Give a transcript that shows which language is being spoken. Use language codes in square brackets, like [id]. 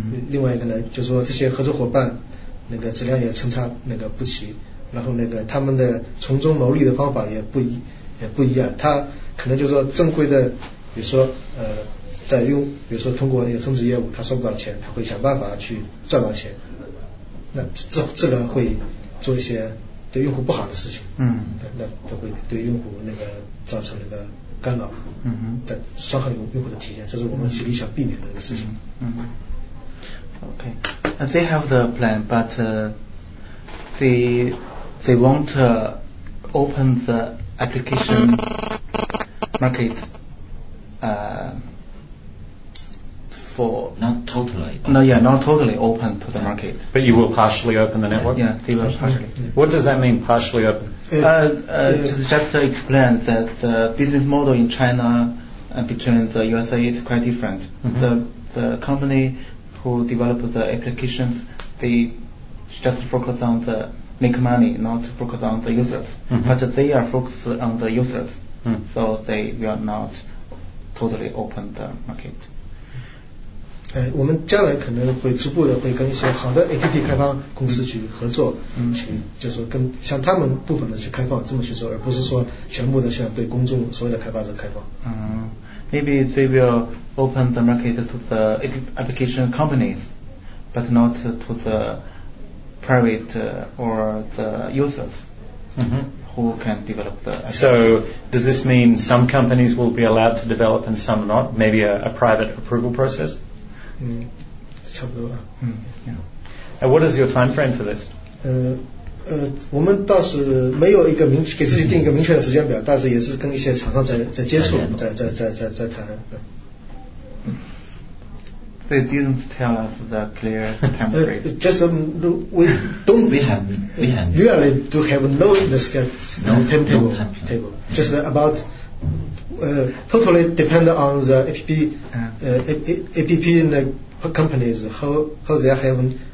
[zh] 另外一个呢就是说这些合作伙伴那个质量也参差那个不齐，然后那个他们的从中牟利的方法也不一样，他可能就是说正规的，比如说在用，比如说通过那个增值业务他收不到钱，他会想办法去赚到钱，那这个会做一些对用户不好的事情，那都会对用户那个造成那个干扰，但伤害用户的体验，这是我们极力想避免的一个事情。 [en] Okay, they have the plan, but they won't open the application market for not totally open to the market, but you will partially open the network. Yeah, they will partially. What does that mean, partially open? Just explain that the business model in China and between the USA is quite different. The company who develop the applications, they just focus on the make money, not focus on the users. But they are focused on the users, so they will not totally open the market. [zh] 我们将来可能会逐步的会跟一些好的 APP 开发公司去合作，去就是说跟像他们部分的去开放，这么去说，而不是说全部的像对公众所有的开发者开放。 [en] Maybe they will open the market to the application companies, but not to the private or the users. who can develop the application. So does this mean some companies will be allowed to develop and some not? Maybe a private approval process? And what is your time frame for this? [zh] 我们倒是没有一个明给自己定一个明确的时间表，但是也是跟一些厂商在接触，在谈。 [en] They didn't tell us the clear time frame. Just we don't we really do have no the timetable. Just about totally depend on the APP APP and the companies how they have.